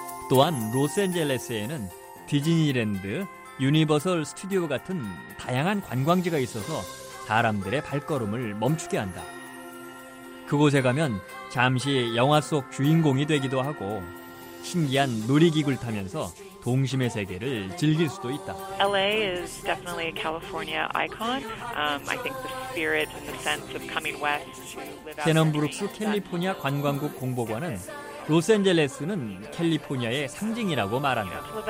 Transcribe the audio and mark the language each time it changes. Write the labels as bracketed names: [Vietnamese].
[Korean] 또한 로스앤젤레스에는 디즈니랜드, 유니버설 스튜디오 같은 다양한 관광지가 있어서 사람들의 발걸음을 멈추게 한다. 그곳에 가면 잠시 영화 속 주인공이 되기도 하고 신기한 놀이기구를 타면서 동심의 세계를 즐길 수도 있다. [English] LA is definitely a California icon. I think the spirit and the sense of coming west to live out. [Korean] 캐넌브룩스 캘리포니아 관광국 공보관은 로스앤젤레스는 캘리포니아의 상징이라고 말한다.